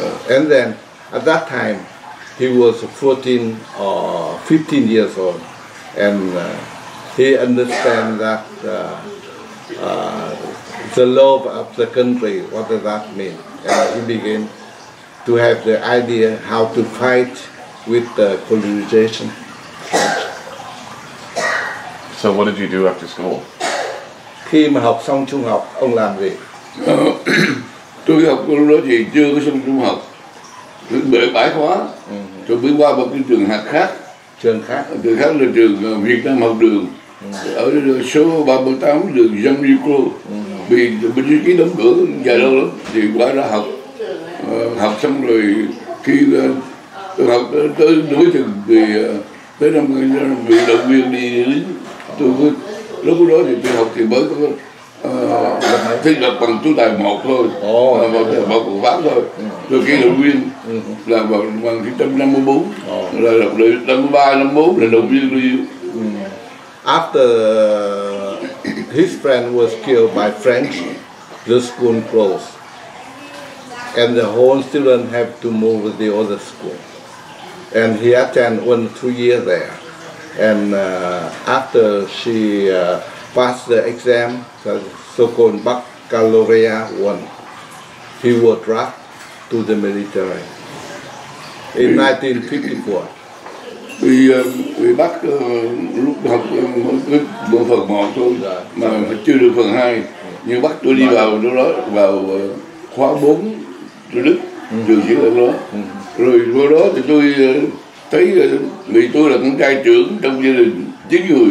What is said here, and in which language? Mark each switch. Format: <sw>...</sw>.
<en>and then at that time he was 14 or 15 years old and he understand that the love of the country, what does that mean? And he began to have the idea how to fight with the colonization. So what did you do after school?</en> <vi>Khi mà học xong trung học, ông làm gì? Tôi học lúc đó thì chưa có xong trung học. Bể bãi khóa. Tôi mới qua một cái trường học khác. Trường khác? Trường khác là trường Việt Nam Học Đường. Ở số 38 đường Dâm Duy Cô. Vì bên dưới ký đóng cửa dài lâu lắm. Thì qua đó học. Học xong rồi khi tôi học tới đối trường thì tới năm bị động viên đi lính. Lúc đó thì tôi học thì mới có thích lập bằng chú tài 1 thôi. Bảo của Pháp thôi. Tôi ký động viên là vào năm 1954. Là lập lại 53-54 là động viên đi.</vi> <en>After his friend was killed by French, the school closed. And the whole student had to move to the other school. And he attended 1-2 years there. And after she passed the exam, the so-called baccalaureate one, he was drafted to the military in 1954.</en> <vi>Vì bị bắt lúc học bộ phần 1 thôi mà chưa được phần 2 nhưng bắt tôi đi vào lúc đó vào khóa 4 tôi Đức trường chỉ lên đó rồi vô đó thì tôi thấy vì tôi là con trai trưởng trong gia đình 9</vi>